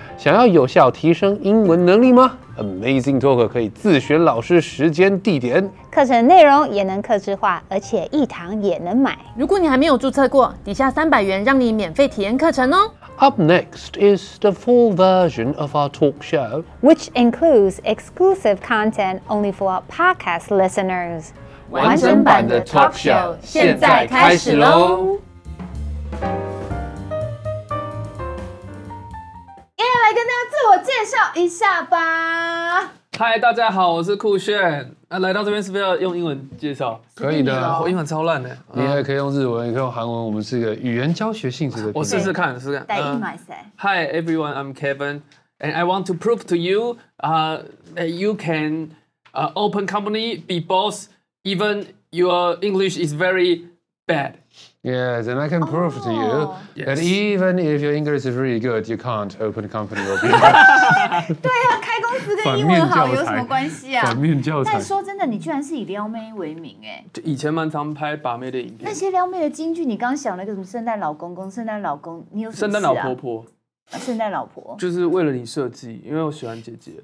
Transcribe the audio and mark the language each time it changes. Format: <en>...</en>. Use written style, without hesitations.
<zh>想要有效提升英文能力吗？ Amazing Talker 可以自选老师时间地点，课程内容也能客制化，而且一堂也能买。如果你还没有注册过，底下300元让你免费体验课程哦。</zh> <en>Up next is the full version of our talk show, which includes exclusive content only for our podcast listeners.</en> <zh>完整版的 talk show 现在开始咯。今天来跟大家自我介绍一下吧。嗨，大家好，我是酷炫。啊，来到这边是不是要用英文介绍？可以的，我英文超烂的。你也可以用日文，也可以用韩文。我们是一个语言教学性质的。我试试看，试试看。代英买谁 ？</zh> <en>Hi everyone, I'm Kevin, and I want to prove to you, that you can, open company, be boss, even your English is very bad. Yes, and I can prove to you that even if your English is really good, you can't open company or be boss.</en> <zh>对啊，开公司跟英文好有什么关系啊？反面教材。但说真的，你居然是以撩妹为名哎！就以前蛮常拍把妹的影片。那些撩妹的金句，你刚想了个什么？圣诞老公公、圣诞老公，你有什么事啊？圣诞老婆婆、圣诞老婆，就是为了你设计，因为我喜欢姐姐。</zh>